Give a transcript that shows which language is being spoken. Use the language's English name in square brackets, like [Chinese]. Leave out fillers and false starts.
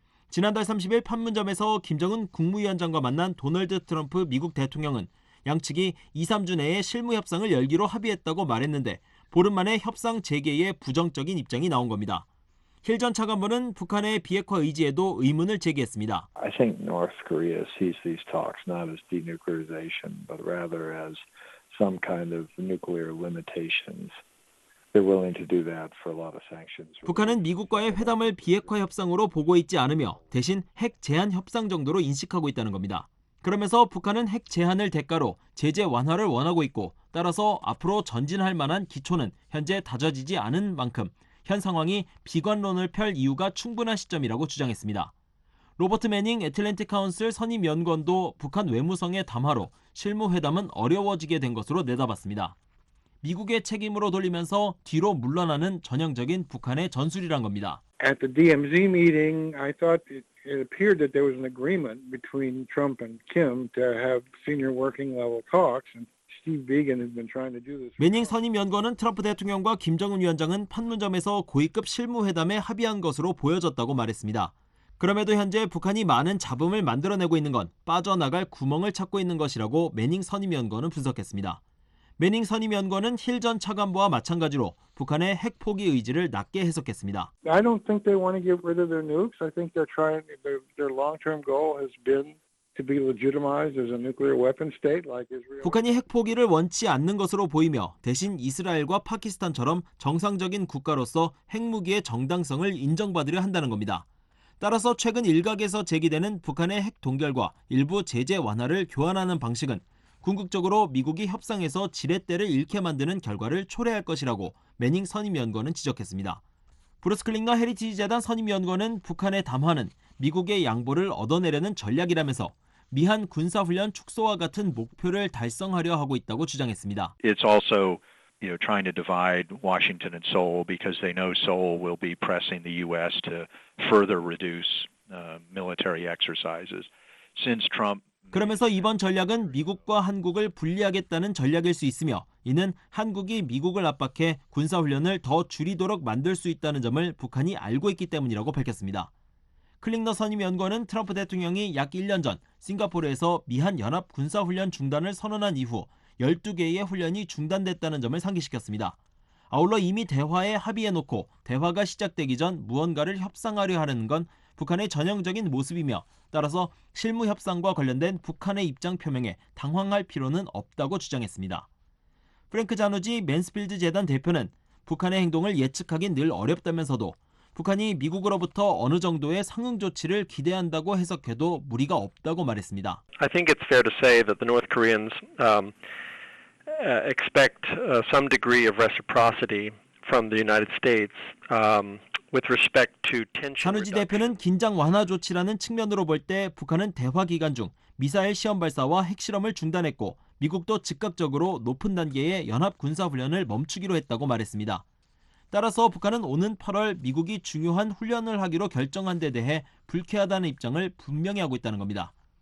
[Korean] 지난달 30일 판문점에서 김정은 국무위원장과 만난 도널드 트럼프 미국 대통령은 양측이 2, 3주 내에 실무협상을 열기로 합의했다고 말했는데 보름 만에 협상 재개에 부정적인 입장이 나온 겁니다. 힐 전 차관보는 북한의 비핵화 의지에도 의문을 제기했습니다. [English] I think North Korea sees these talks not as denuclearization, but rather as some kind of nuclear limitations. They're willing to do that for a lot of sanctions. [Korean] 북한은 미국과의 회담을 비핵화 협상으로 보고 있지 않으며 대신 핵 제한 협상 정도로 인식하고 있다는 겁니다. 그러면서 북한은 핵 제한을 대가로 제재 완화를 원하고 있고 따라서 앞으로 전진할 만한 기초는 현재 다져지지 않은 만큼 현 상황이 비관론을 펼 이유가 충분한 시점이라고 주장했습니다. 로버트 매닝 애틀랜틱 카운슬 선임 연관도 북한 외무성의 담화로 실무회담은 어려워지게 된 것으로 내다봤습니다. 미국의 책임으로 돌리면서 뒤로 물러나는 전형적인 북한의 전술이란 겁니다. [English] At the DMZ meeting, I thought it appeared that there was an agreement between Trump and Kim to have senior working level talks. And Steve Biegun has been trying to do this. [Korean] 매닝 선임 연관은 트럼프 대통령과 김정은 위원장은 판문점에서 고위급 실무 회담에 합의한 것으로 보여졌다고 말했습니다. 그럼에도 현재 북한이 많은 잡음을 만들어내고 있는 건 빠져나갈 구멍을 찾고 있는 것이라고 매닝 선임연구원은 분석했습니다. 매닝 선임연구원은 힐 전 차관보와 마찬가지로 북한의 핵 포기 의지를 낮게 해석했습니다. [English] I don't think they want to get rid of their nukes. I think they're trying their long-term goal has been to be legitimized as a nuclear weapon state like Israel. [Korean] 북한이 핵 포기를 원치 않는 것으로 보이며 대신 이스라엘과 파키스탄처럼 정상적인 국가로서 핵무기의 정당성을 인정받으려 한다는 겁니다. 따라서 최근 일각에서 제기되는 북한의 핵 동결과 일부 제재 완화를 교환하는 방식은 궁극적으로 미국이 협상에서 지렛대를 잃게 만드는 결과를 초래할 것이라고 매닝 선임연구원은 지적했습니다. 브루스 클링너 헤리티지 재단 선임연구원은 북한의 담화는 미국의 양보를 얻어내려는 전략이라면서 미한 군사훈련 축소와 같은 목표를 달성하려 하고 있다고 주장했습니다. [English] It's also trying to divide Washington and Seoul because they know Seoul will be pressing the U.S. to further reduce military exercises. Since Trump [Korean] 그러면서 이번 전략은 미국과 한국을 분리하겠다는 전략일 수 있으며 이는 한국이 미국을 압박해 군사훈련을 더 줄이도록 만들 수 있다는 점을 북한이 알고 있기 때문이라고 밝혔습니다. 클링너 선임연구원은 트럼프 대통령이 약 1년 전 싱가포르에서 미한연합군사훈련 중단을 선언한 이후 12개의 훈련이 중단됐다는 점을 상기시켰습니다. 아울러 이미 대화에 합의해놓고 대화가 시작되기 전 무언가를 협상하려 하는 건 북한의 전형적인 모습이며 따라서 실무 협상과 관련된 북한의 입장 표명에 당황할 필요는 없다고 주장했습니다. 프랭크 자누지 맨스필드 재단 대표는 북한의 행동을 예측하긴 늘 어렵다면서도 북한이 미국으로부터 어느 정도의 상응 조치를 기대한다고 해석해도 무리가 없다고 말했습니다. [English] I think it's fair to say that the North Koreans expect some degree of reciprocity from the United States. With respect to tension, [Korean] 한우지 대표는 긴장 완화 조치라는 측면으로 볼 때 북한은 대화 기간 중 미사일 시험 발사와 핵실험을 중단했고 미국도 즉각적으로 높은 단계의 연합 군사 훈련을 멈추기로 했다고 말했습니다. 따라서 북한은 오는 8월 미국이 중요한 훈련을 하기로 결정한 데 대해 불쾌하다는 입장을 분명히 하고 있다는 겁니다.